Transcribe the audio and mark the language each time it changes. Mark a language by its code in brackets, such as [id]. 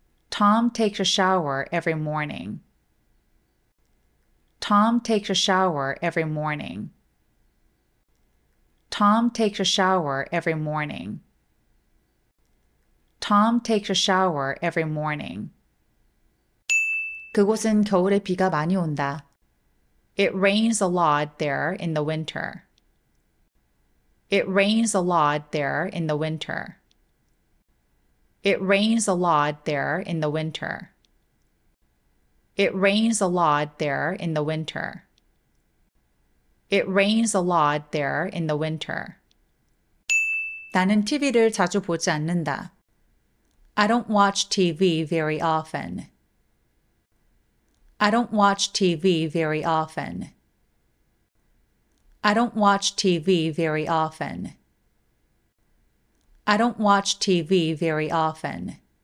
[en] Tom takes a shower every morning. Tom takes a shower every morning. Tom takes a shower every morning. Tom takes a shower every morning. [ko] 그곳은 겨울에 비가 많이 온다. [en] It rains a lot there in the winter. It rains a lot there in the winter. It rains a lot there in the winter. It rains a lot there in the winter. It rains a lot there in the winter. [ko] 나는 TV를 자주 보지 않는다. [en] I don't watch TV very often. I don't watch TV very often. I don't watch TV very often. I don't watch TV very often.